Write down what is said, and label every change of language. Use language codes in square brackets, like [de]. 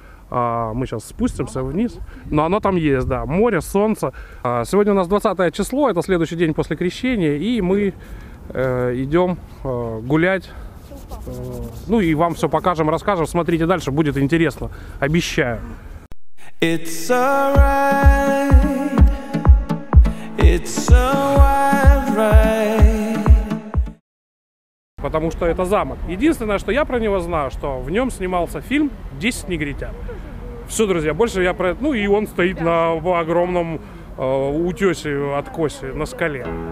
[ru] Мы сейчас спустимся вниз. Но оно там есть, да. Море, солнце. Сегодня у нас 20 число, это следующий день после крещения. И мы идем гулять. Ну и вам все покажем, расскажем. Смотрите дальше, будет интересно. Обещаю. [en] It's alright, it's a wild ride. [ru] Потому что это замок. Единственное, что я про него знаю, что в нем снимался фильм «10 негритят». Все, друзья, больше я про это... Ну и он стоит на огромном утесе, откосе, на скале.